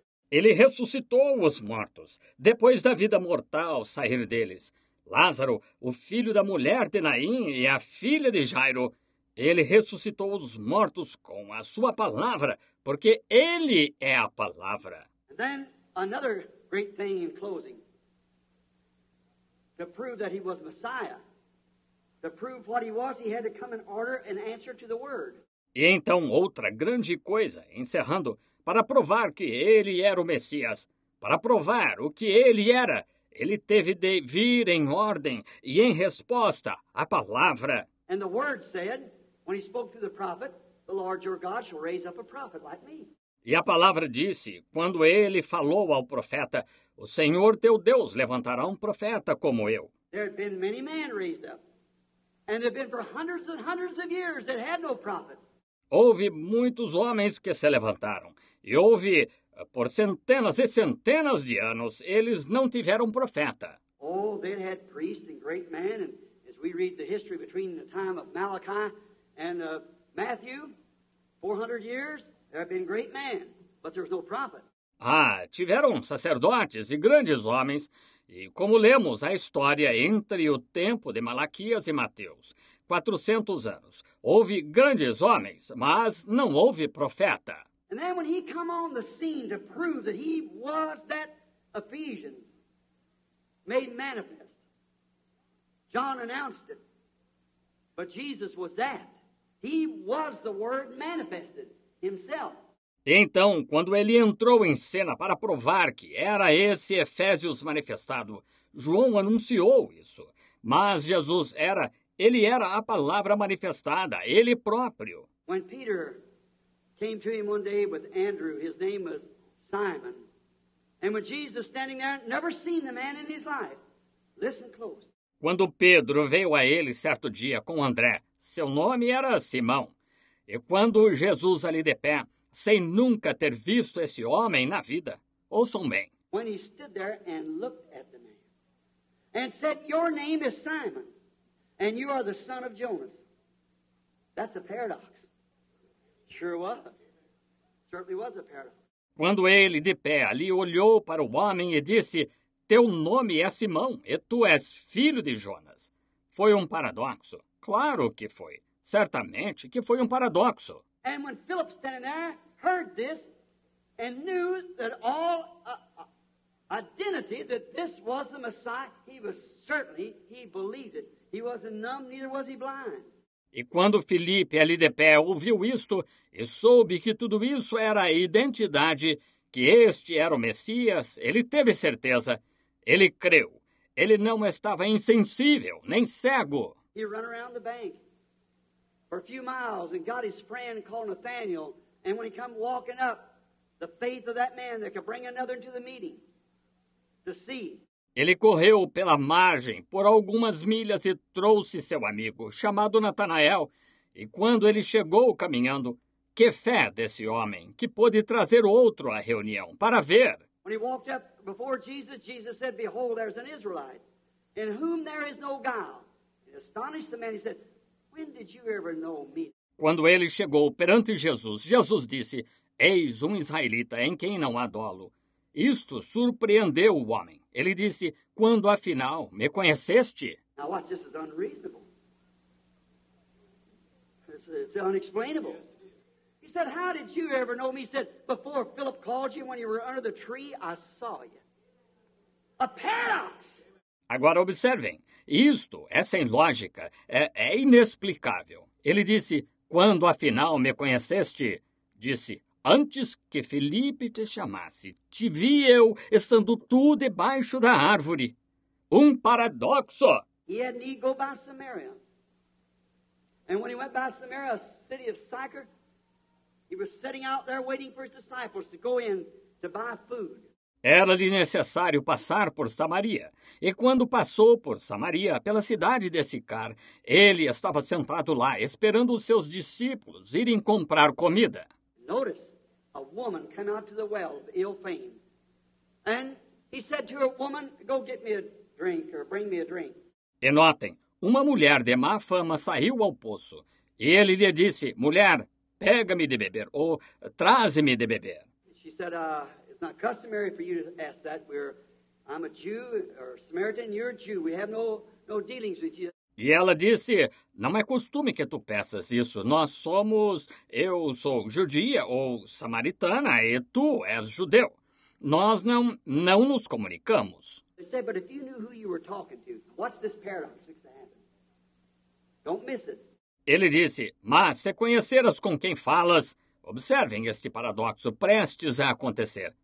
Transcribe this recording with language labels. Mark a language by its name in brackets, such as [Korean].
[Portuguese] Ele ressuscitou os mortos, depois da vida mortal sair deles. Lázaro, o filho da mulher de Naim e a filha de Jairo, ele ressuscitou os mortos com a sua palavra, porque ele é a palavra. [English] And then another great thing in closing, to prove that he was Messiah. To prove what he was, he had to come in order and answer to the word. [Portuguese] E então outra grande coisa, encerrando, para provar que ele era o Messias, para provar o que ele era, ele teve de vir em ordem e em resposta à palavra. [English] And the word said, when he spoke to the prophet, the Lord your God shall raise up a prophet like me. [Portuguese] E a palavra disse, quando ele falou ao profeta, o Senhor teu Deus levantará um profeta como eu. [English] There had been many men raised up. And it had been for hundreds and hundreds of years that had no prophet. [Portuguese] Houve muitos homens que se levantaram. E houve, por centenas e centenas de anos, eles não tiveram profeta. [English] Oh, they had priests and great men. And as we read the history between the time of Malachi and Matthew, 400 years, there have been great men, but there was no prophet. [Portuguese] Ah, tiveram sacerdotes e grandes homens, e como lemos a história entre o tempo de Malaquias e Mateus, 400 anos, houve grandes homens, mas não houve profeta. [English] And then when he came on the scene to prove that he was that Ephesians made manifest, John announced it, but Jesus was that. He was the Word manifested himself. [Portuguese] Então, quando ele entrou em cena para provar que era esse Efésios manifestado, João anunciou isso. Mas Jesus era, ele era a palavra manifestada, ele próprio. [English] When Peter came to him one day with Andrew, his name was Simon. And when Jesus standing there, never seen the man in his life. Listen close. [Portuguese] Quando Pedro veio a ele certo dia com André, seu nome era Simão. E quando Jesus ali de pé, sem nunca ter visto esse homem na vida. Ouçam bem. [English] When he stood there and looked at the man and said, your name is Simon and you are the son of Jonas. That's a paradox. Sure was. Certainly was a paradox. [Portuguese] Quando ele de pé ali olhou para o homem e disse, teu nome é Simão e tu és filho de Jonas. Foi um paradoxo. Claro que foi. Certamente que foi um paradoxo. [English] And when Philip standing there heard this and knew that all identity that this was the Messiah, he was certainly, he believed it. He wasn't numb, neither was he blind. [Portuguese] E quando Felipe ali de pé ouviu isto e soube que tudo isso era a identidade, que este era o Messias, ele teve certeza. Ele creu. Ele não estava insensível, nem cego. [English] He ran around the bank for a few miles and got his friend called Nathaniel, and when he come walking up, the faith of that man that could bring another into the meeting to see. [Portuguese] Ele correu pela margem por algumas milhas e trouxe seu amigo chamado Natanael, e quando ele chegou caminhando, que fé desse homem que pôde trazer outro à reunião para ver. [English] When he walked up before Jesus, Jesus said, behold, there's an Israelite in whom there is no guile. He astonished the man. He said, when did you ever know me? [Portuguese] Quando ele chegou perante Jesus, Jesus disse, eis um israelita em quem não há dolo. Isto surpreendeu o homem. Ele disse, quando afinal me conheceste? [English] Now watch, this is unreasonable. It's unexplainable. He said, how did you ever know me? He said, before Philip called you, when you were under the tree, I saw you. A paradox! [Portuguese] Agora observem. Isto é sem lógica, é inexplicável. Ele disse, quando afinal me conheceste? Disse, antes que Felipe te chamasse, te vi eu estando tu debaixo da árvore. Um paradoxo! [English] He had need go by Samaria. And when he went by Samaria, a city of Sychar, he was sitting out there waiting for his disciples to go in to buy food. [Portuguese] Era-lhe necessário passar por Samaria. E quando passou por Samaria, pela cidade de Sicar, ele estava sentado lá, esperando os seus discípulos irem comprar comida. [English] Notice, a woman came out to the well of ill fame. And he said to her, woman, go get me a drink, or bring me a drink. [Portuguese] E notem, uma mulher de má fama saiu ao poço. E ele lhe disse, mulher, pega-me de beber, ou traze-me de beber. [English] She said, It's not customary for you to ask that. I'm a Jew or a Samaritan, you're a Jew. We have no dealings with you. [Portuguese] E ela disse, não é costume que tu peças isso. Nós somos, eu sou judia ou samaritana e tu és judeu. Nós não nos comunicamos. [English] They said, but if you knew who you were talking to, what's this paradox that's happened? Don't miss it. [Portuguese] Ele disse, mas se conheceras com quem falas, observem este paradoxo prestes a acontecer.